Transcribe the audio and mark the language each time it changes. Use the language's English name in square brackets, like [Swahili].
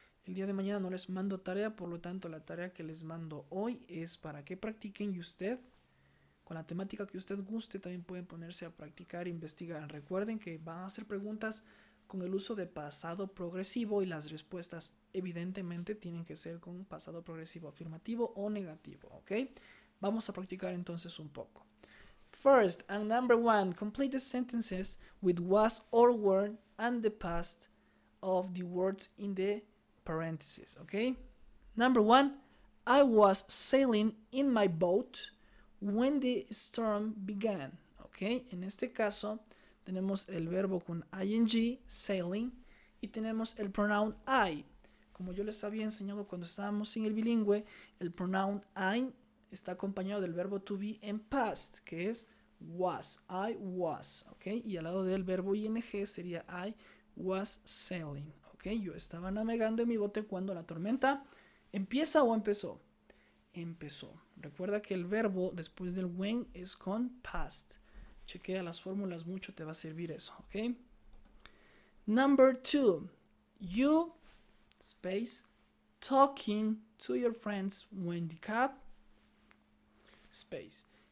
[Spanish] El día de mañana no les mando tarea, por lo tanto la tarea que les mando hoy es para que practiquen, y usted, con la temática que usted guste, también pueden ponerse a practicar e investigar. Recuerden que van a hacer preguntas con el uso de pasado progresivo y las respuestas evidentemente tienen que ser con pasado progresivo afirmativo o negativo, ¿ok? Vamos a practicar entonces un poco. [English] First and number one, complete the sentences with was or were and the past of the words in the parentheses, okay? Number one, I was sailing in my boat when the storm began, okay? [Spanish] En este caso, tenemos el verbo con ing, sailing, y tenemos el pronoun I. Como yo les había enseñado cuando estábamos en el bilingüe, el pronoun I está acompañado del verbo to be en past, que es was, [English] I was, [Spanish] okay? Y al lado del verbo ing sería [English] I was sailing. [Spanish] Okay, yo estaba navegando en mi bote cuando la tormenta empieza o empezó. Empezó. Recuerda que el verbo después del when es con past. Chequea las fórmulas mucho, te va a servir eso. [English] Okay. Number two. You, space, talking to your friends when the cab, space.